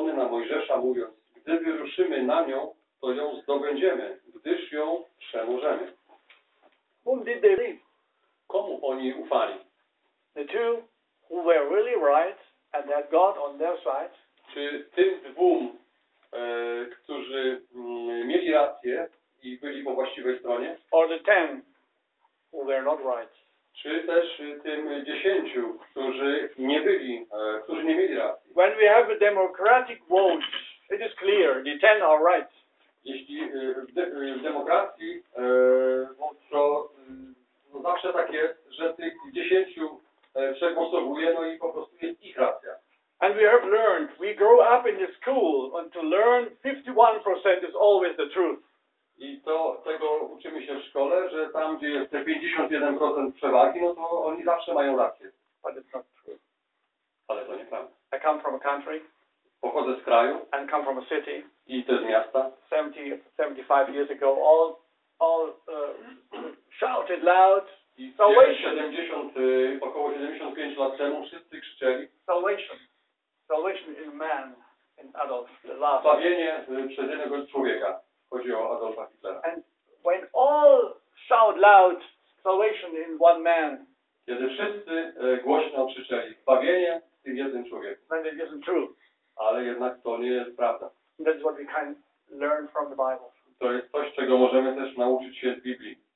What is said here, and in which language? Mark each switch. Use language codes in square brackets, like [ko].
[pl] Mojżesza, mówiąc: gdy wyruszymy na nią, to ją zdobędziemy, gdyż ją przemożemy. [en] Whom did they believe? [pl] Komu oni ufali? [en] The two who were really right and had God on their side. [pl] Czy tym dwóm, którzy mieli rację i byli po właściwej stronie? [en] Or the ten who were not right. [pl] Czy też tym dziesięciu, którzy nie byli, którzy nie mieli racji? [en] When we have a democratic vote, it is clear the ten are right. [pl] Jeśli w demokracji, to no zawsze tak jest, że tych dziesięciu przegłosowuje, no i po prostu jest ich racja. [en] And we have learned, we grow up in the school, and to learn 51% is always the truth. [pl] I to tego uczymy się w szkole, że tam, gdzie jest te 51% przewagi, no to oni zawsze mają rację. [en] But it's not true. [pl] Ale to nieprawda. [en] I come from a country. [pl] Pochodzę z kraju. [en] And come from a city. [pl] I to z miasta. [en] 75 years ago, all shouted loud. Salvation. [pl] 70, około 75 lat temu wszyscy krzyczeli. [en] Salvation. Salvation in man, in Adolf, the last. [pl] Zbawienie przez jednego człowieka. Chodzi o Adolfa Hitlera. [en] And when all shout loud, salvation in one man. [pl] Kiedy wszyscy głośno krzyczeli, zbawienie w tym jednym człowieku. [en] Then it isn't true. [pl] Ale jednak to nie jest prawda. [en] That's what we can learn from the Bible. [pl] To jest coś, czego możemy też nauczyć się z Biblii.